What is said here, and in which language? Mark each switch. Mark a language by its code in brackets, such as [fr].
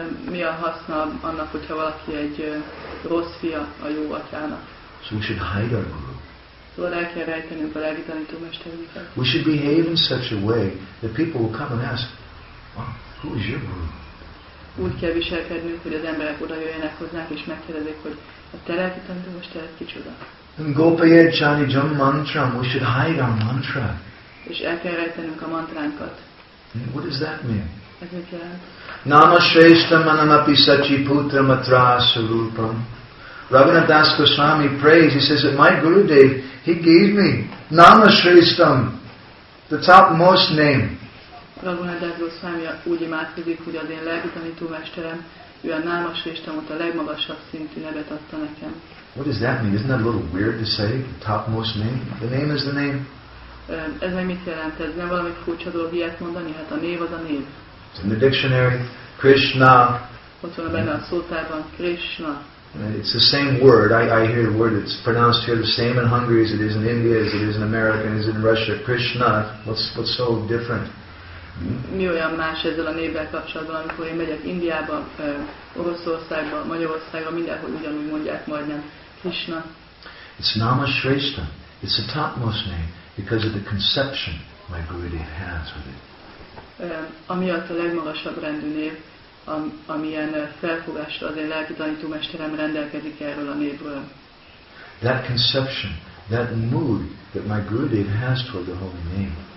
[hu] Mi a haszna annak, hogyha valaki egy rossz fia a jó atyának? [en] So we should hide our guru. [hu] Szóval el kell rejtenünk a lelki tanítómesterünket. [en] We should behave in such a way that people will come and ask, who is your guru? [hu] Úgy kell viselkednünk, hogy az emberek oda jöjjenek hozzánk, és megkérdezik, hogy a te lelki tanítómestered kicsoda. [en] In [sa] Gopaya Chani Jam Mantra, [en] we should hide our mantra. [hu] És el kell rejtenünk a mantránkat. [en] What does that mean? [hu] Ez mit jelent? [sa] Nama Shrestha Manamapi Sachi Putra Matra Sarupam. [en] Raghunath Das Goswami prays, he says that my Gurudev, he gave me Nama Shrestha, the topmost name. [hu] Raghunath Das Goswami úgy imádkozik, hogy az én lelki tanítómesterem, ő a Nama Shrestha, a legmagasabb szintű nevet adta nekem. [en] What does that mean? Isn't that a little weird to say, the topmost name? The name is the name. [hu] Ez meg mit jelent? Ez nem valami furcsa dolog ilyet mondani? Hát a név az a név. [en] In the dictionary, Krishna. [hu] Ott van benne a szótárban, Krishna. [en] It's the same word. I hear the word. It's pronounced here the same in Hungary as it is in India, as it is in America, as it is in Russia. Krishna. What's so different? [hu] Mi olyan más ezzel a névvel kapcsolatban, amikor én megyek Indiába, Oroszországba, Magyarországba, mindenhol ugyanúgy mondják majdnem Krishna. [en] It's Nama Shrestha. It's the topmost name because of the conception my Gurudev has with it. [hu] Amiatt a legmagasabb rendű név, amilyen felfogásra az én lelki tanítómesterem rendelkezik erről a névről. [en] That conception, that mood that my Gurudev has toward the holy name.